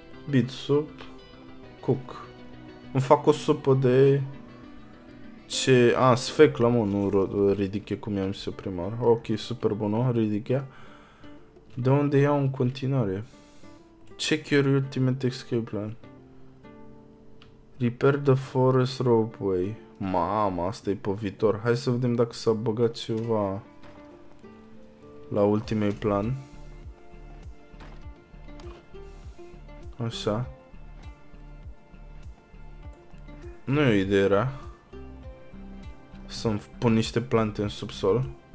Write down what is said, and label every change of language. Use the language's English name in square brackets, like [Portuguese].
[English] Beet soup. Cook. [Romanian] Îmi fac o supă de... Ce... A, sfeclă, mă, nu ridiche cum i-am zis eu primar. Ok, super bună, ridichea. De unde iau în continuare? [English] Check your ultimate escape plan. Repair the forest ropeway. [Romanian] Mama, asta e pe viitor. Hai să vedem dacă s-a băgat ceva la ultimei plan. Așa. Nu e o idee rea. Să-mi pun niște plante în subsol.